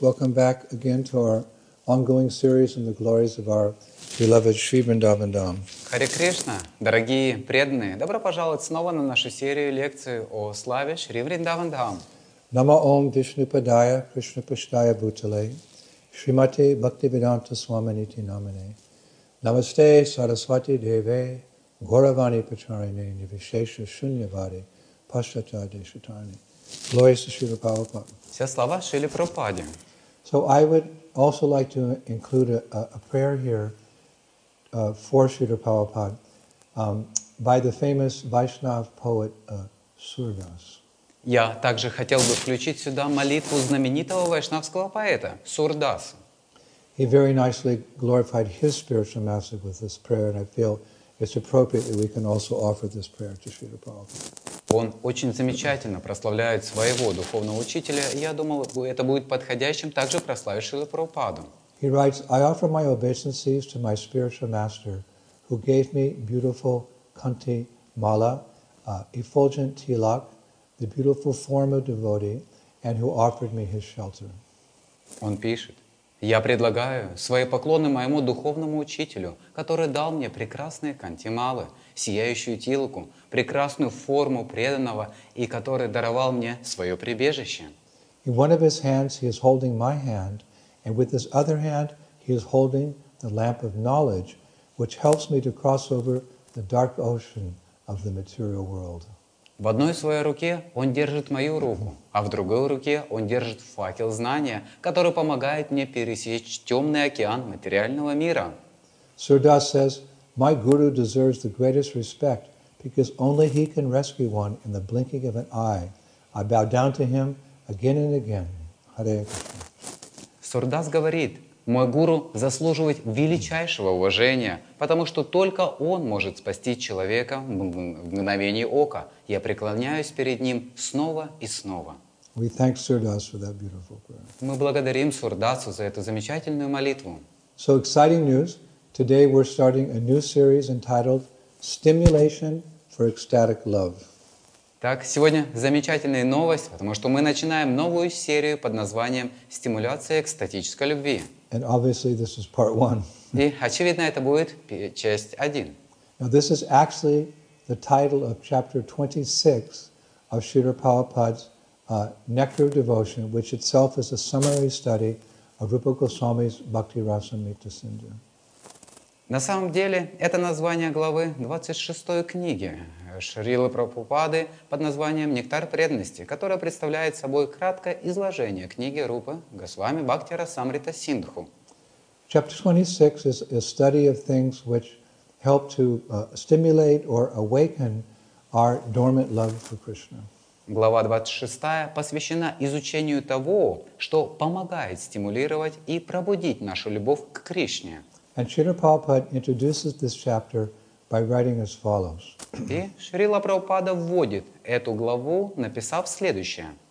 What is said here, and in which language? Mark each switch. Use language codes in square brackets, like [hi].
[en] Welcome back again to our ongoing series on the glories of our beloved Sri Vrindavan Dham. [ru] Hare Krishna, дорогие преданные. Добро пожаловать снова на нашу серию лекций о славе Шри Вриндаван Дхам. [sa] Нама Ом Вишнупадая Кришна Пуштая Бутале, Шримати Бхактивиданта Свамините Намине. Намасте Сарасвати Деве, Горавани Пачарине, Нивишеша Шуньявари, Пашчата Дешатарни. [en] Glories to Srila Prabhupada. [ru] Все слова Шрили Прабхупаде. [en] So I would also like to include a prayer here for Srila Prabhupada by the famous Vaishnav poet Surdas. [ru] Я также хотел бы включить сюда молитву знаменитого вайшнавского поэта Сурдас. [en] He very nicely glorified his spiritual master with this prayer, and I feel it's appropriate that we can also offer this prayer to Srila Prabhupada. [ru] Он очень замечательно прославляет своего духовного учителя. Я думал, это будет подходящим также прославить Шрилу Прабхупаду. [en] He writes, I offer my obeisances to my spiritual master, who gave me beautiful Kunti Mala, effulgent Tilak, the beautiful form of devotee, and who offered me his shelter. [ru] Он пишет, я предлагаю свои поклоны моему духовному учителю, который дал мне прекрасные Кунти Малы, сияющую тилку, прекрасную форму преданного и который даровал мне свое прибежище. [en] In one of his hands he is holding my hand, and with his other hand he is holding the lamp of knowledge, which helps me to cross over the dark ocean of the material world. [ru] В одной своей руке он держит мою руку, а в другой руке он держит факел знания, который помогает мне пересечь темный океан материального мира. [en] Сурдас says, My guru deserves the greatest respect because only he can rescue one in the blinking of an eye. I bow down to him again and again. Hare Krishna. [ru] Сурдас говорит, мой гуру заслуживает величайшего уважения, потому что только он может спасти человека в мгновение ока. Я преклоняюсь перед ним снова и снова. [en] We thank Sardas for that beautiful prayer. [ru] Мы благодарим Сурдасу за эту замечательную молитву. [en] So exciting news. Today we're starting a new series entitled Stimulation for Ecstatic Love. [ru] Так, сегодня замечательная новость, потому что мы начинаем новую серию под названием Стимуляция экстатической любви. [en] And obviously this is part one. [ru] И, очевидно, это будет часть один. [en] Now this is actually the title of chapter 26 of Srila Prabhupada's Nectar Devotion, which itself is a summary study of Rupa Goswami's Bhakti Rasamrita Sindhu. [ru] На самом деле, это название главы 26 книги Шрилы Прабхупады под названием «Нектар преданности», которая представляет собой краткое изложение книги Рупы Госвами Бхакти Расамрита Синдху. [en] Chapter 26 is a study of things which help to stimulate or awaken our dormant love for Krishna. [ru] Глава 26 посвящена изучению того, что помогает стимулировать и пробудить нашу любовь к Кришне. [en] And Srila Prabhupada introduces this chapter by writing as follows. [ru] И Шрила Прабхупада вводит эту главу, написав следующее.